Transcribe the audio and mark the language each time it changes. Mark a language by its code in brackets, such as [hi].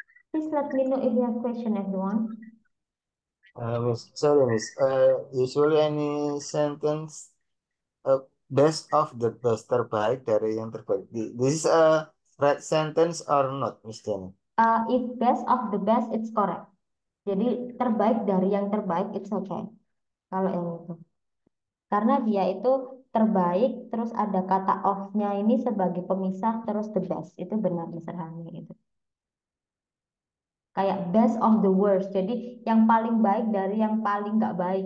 [en] Please let me know if you have question, everyone. Sorry, Miss. Usually any sentence best of the best [id] terbaik dari yang terbaik. [en] This is a right sentence or not, Miss Jenny? If best of the best, it's correct. [id] Jadi terbaik dari yang terbaik, [en] it's okay. [id] Kalau yang itu. Karena dia itu terbaik, terus ada kata of-nya ini sebagai pemisah, terus the best. Itu benar, Mr. Hani, itu. Kayak best of the worst. Jadi yang paling baik dari yang paling nggak baik.